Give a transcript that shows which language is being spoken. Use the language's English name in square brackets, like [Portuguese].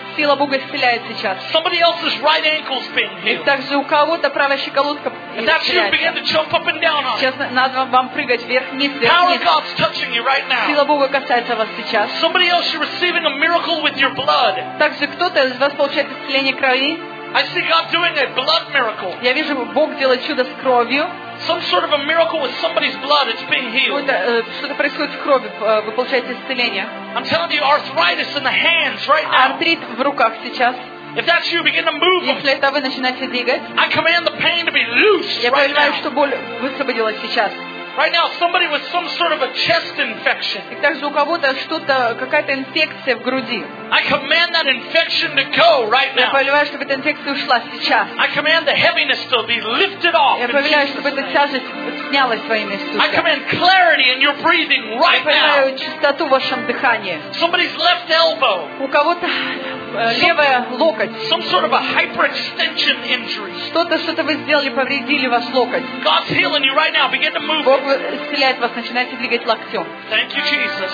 [Russian] Сила Бога исцеляет сейчас. [English] Somebody else's right ankle's being healed. [Russian] И также у кого-то правая щиколотка исцеляется. Сейчас надо вам прыгать вверх-вниз, вверх-вниз. [English] Power of God's touching you right now. [Russian] Сила Бога касается вас сейчас. [English] Somebody else is receiving a miracle with your blood. [Russian] Также кто-то из вас получает исцеление крови. [English] I see God doing a blood miracle. [Russian] Я вижу, Бог делает чудо с кровью. [English] Some sort of a miracle with somebody's blood, it's being healed. [Russian] Что-то происходит в крови, вы получаете исцеление. [English] I'm telling you, arthritis in the hands right now. [Russian] Артрит в руках сейчас. [English] If that's you, begin to move. [Russian] Если это вы, начинайте двигать. [English] I command the pain to be loose right now. [Russian] Я повелеваю, что боль высвободилась сейчас. [English] Right now, somebody with some sort of a chest infection. [Russian] И также у кого-то что-то, какая-то инфекция в груди. [English] I command that infection to go right now. [Russian] Я повелеваю, чтобы эта инфекция ушла сейчас. [English] I command the heaviness to be lifted off. [Russian] Я повелеваю, чтобы эта тяжесть снялась во имя Иисуса. [English] I command clarity in your breathing right now. [Russian] Я повелеваю чистоту в вашем дыхании. [English] Somebody's left elbow. [Russian] У кого-то левая локоть. [English] Some sort of a hyperextension injury. [Russian] Что-то вы сделали, повредили ваш локоть. [English] God's healing you right now. Begin to move. [Russian] Бог исцеляет вас, начинайте двигать локтем. [English] Thank you, Jesus.